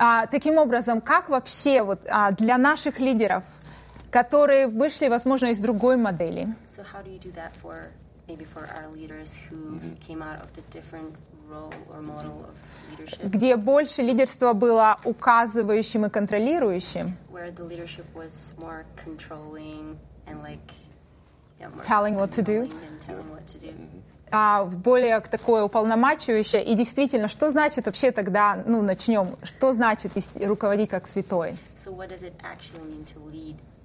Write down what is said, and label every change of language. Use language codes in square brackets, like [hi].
[ru] Таким образом, как вообще вот, для наших лидеров, которые вышли, возможно, из другой модели. [en] So how do you do that for maybe for our leaders who came out of the different role or model of leadership? [ru] Где больше лидерство было указывающим и контролирующим? [en] Where the leadership was more controlling and like more telling what to do. Telling what to do. [ru] Более такое уполномачивающее. И действительно, что значит вообще тогда, ну, начнем, что значит руководить как святой? [en] So what does it actually mean to lead?